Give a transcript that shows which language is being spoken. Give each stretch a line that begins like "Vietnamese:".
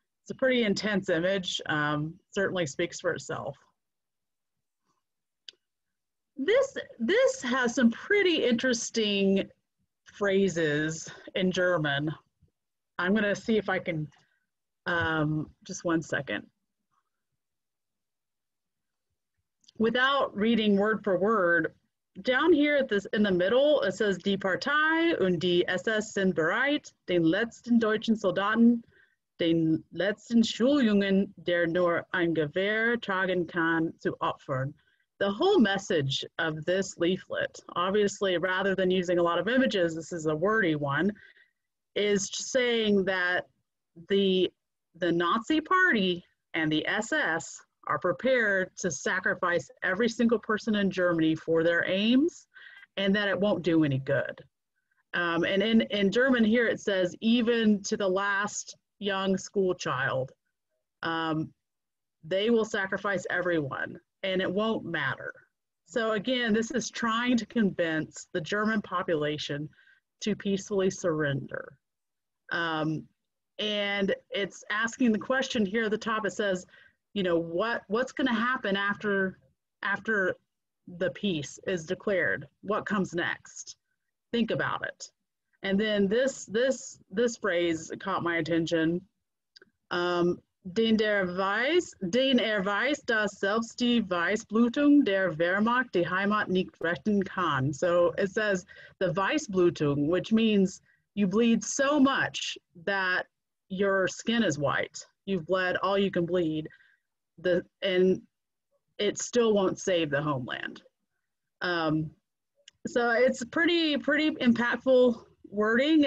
English: It's a pretty intense image, certainly speaks for itself. This has some pretty interesting phrases in German. I'm gonna see if I can, just 1 second. Without reading word for word, down here at this in the middle, it says
German: Die Partei und die SS sind bereit, den letzten deutschen Soldaten, den letzten Schuljungen, der nur ein Gewehr tragen kann, zu opfern.
English: The whole message of this leaflet, obviously, rather than using a lot of images, this is a wordy one, is saying that the Nazi party and the SS are prepared to sacrifice every single person in Germany for their aims, and that it won't do any good. And in German here, it says, even to the last young school child, they will sacrifice everyone, and it won't matter. So again, this is trying to convince the German population to peacefully surrender. And it's asking the question here at the top, it says, you know, what's going to happen after the peace is declared? What comes next? Think about it. And then this phrase caught my attention.
German: Den er weiß, dass selbst die Weißblutung der Wehrmacht die Heimat nicht retten kann.
English: So it says the Weißblutung, which means you bleed so much that your skin is white. You've bled all you can bleed. And it still won't save the homeland. So it's pretty impactful wording.